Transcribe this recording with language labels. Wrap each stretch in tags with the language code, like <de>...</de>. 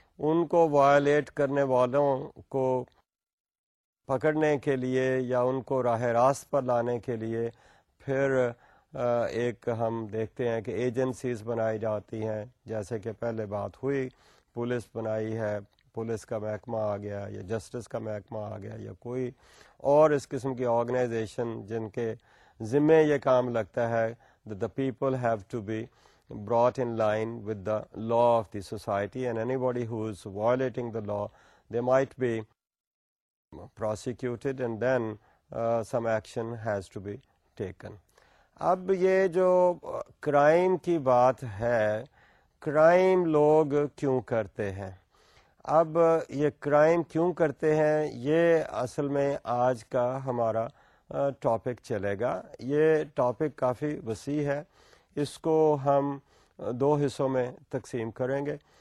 <ur>ان کو وائلیٹ کرنے والوں کو پکڑنے کے لیے یا ان کو راہ راست پر لانے کے لیے پھر ایک ہم دیکھتے ہیں کہ ایجنسیز بنائی جاتی ہیں. جیسے کہ پہلے بات ہوئی، پولیس بنائی ہے، پولیس کا محکمہ آ گیا یا جسٹس کا محکمہ آ گیا یا کوئی اور اس قسم کی آرگنائزیشن جن کے ذمے یہ کام لگتا ہے.</ur> <en>The people have to be brought in line with the law of the society, and anybody who is violating the law, they might be prosecuted, and then some action has to be taken.</en> <ur>اب یہ جو crime کی بات ہے، crime لوگ کیوں کرتے ہیں؟ اب یہ کرائم کیوں کرتے ہیں، یہ اصل میں آج کا ہمارا ٹاپک چلے گا. یہ ٹاپک کافی وسیع ہے، اس کو ہم دو حصوں میں تقسیم کریں گے.</ur>